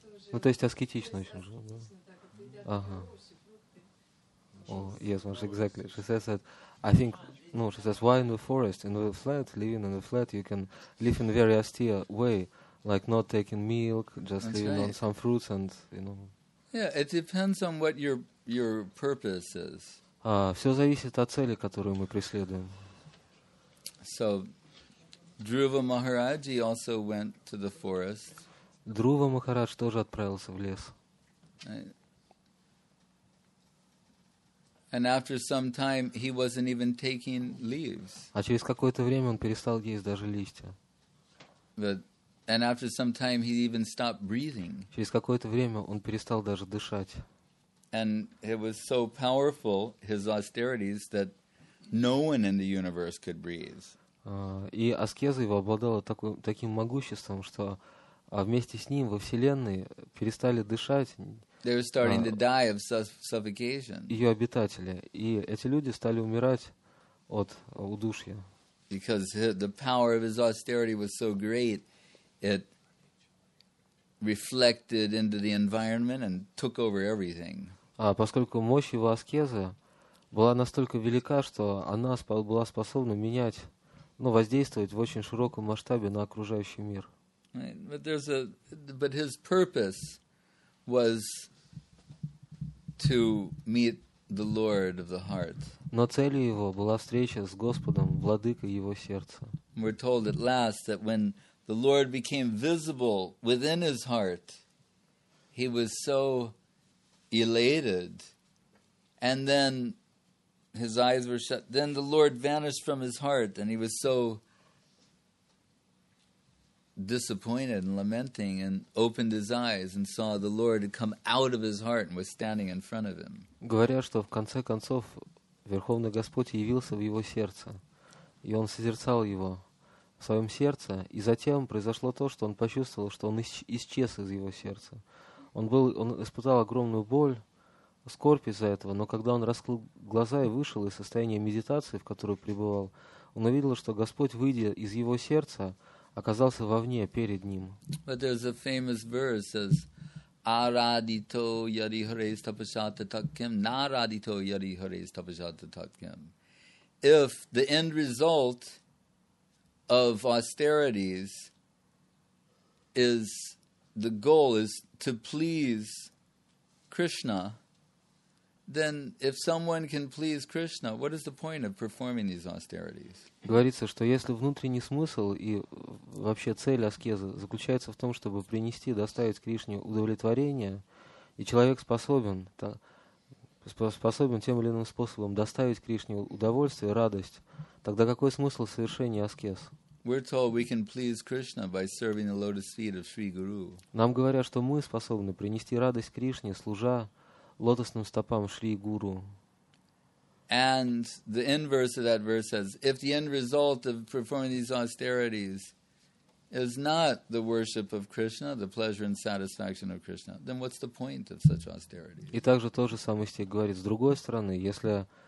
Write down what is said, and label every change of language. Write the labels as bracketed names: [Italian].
[Russian] Ну, то есть аскетично очень же, да? [English] Ага. Oh, yes, well, exactly. She says that, I think, no, she says, why in the forest, in the flat, living in the flat, you can live in a very austere way, like not taking milk, just That's living right. on some fruits and, you know. Yeah, it depends on what your purpose is. [Russian] Все зависит от цели, которую мы преследуем. [English] So, Dhruva Maharaj also went to the forest. [Russian] Dhruva Maharaj тоже отправился в лес. [English] And after some time, he wasn't even taking leaves. [Russian] А через какое-то время он перестал есть даже листья. [English] And after some time, he even stopped breathing. [Russian] Через какое-то время он перестал даже дышать. [English] And it was so powerful, his austerities, that no one in the universe could breathe. [Russian] И аскеза его обладала таким могуществом, что вместе с ним во Вселенной перестали дышать. [English] They were starting to die of suffocation. [Russian] Ее обитатели. И эти люди стали умирать от удушья. [English] Because the power of his austerity was so great, it reflected into the environment and took over everything. [Russian] А поскольку мощь его аскезы была настолько велика, что она была способна менять, ну, воздействовать в очень широком масштабе на окружающий мир. [English] But his purpose was to meet the Lord of the heart. [Russian] Но целью его была встреча с Господом, владыкой его сердца. [English] We're told at last that when the Lord became visible within his heart, he was so elated, and then his eyes were shut. Then the Lord vanished from his heart, and he was so disappointed and lamenting, and opened his eyes and saw the Lord had come out of his heart and was standing in front of him. [Russian] Говорят, что в конце концов Верховный Господь явился в его сердце, и он созерцал его в своем сердце, и затем произошло то, что он почувствовал, что он исчез из его сердца. Он испытал огромную боль, скорбь из-за этого, но когда он раскрыл глаза и вышел из состояния медитации, в которой пребывал, он увидел, что Господь, выйдя из его сердца, оказался вовне, перед ним. [English] But there's a famous verse that says, [Sanskrit] Arādito yari hareis tapasyata takyam, narādito yari hareis tapasyata takyam. [English] If the end result of austerities is the goal is to please Krishna, then if someone can please Krishna, what is the point of performing these austerities? [Russian] Говорится, что если внутренний смысл и вообще цель аскезы заключается в том, чтобы принести, доставить Кришне удовлетворение, и человек способен тем или иным способом доставить Кришне удовольствие, радость, тогда какой смысл совершения аскез? [English] We're told we can please Krishna by serving the lotus feet of Sri Guru. [Russian] Нам говорят, что мы способны принести радость Кришне, служа лотосным стопам Шри Гуру. [English] And the inverse of that verse says, if the end result of performing these austerities is not the worship of Krishna, the pleasure and satisfaction of Krishna, then what's the point of such austerity? [Russian] И также тот же самый стих говорит с другой стороны, если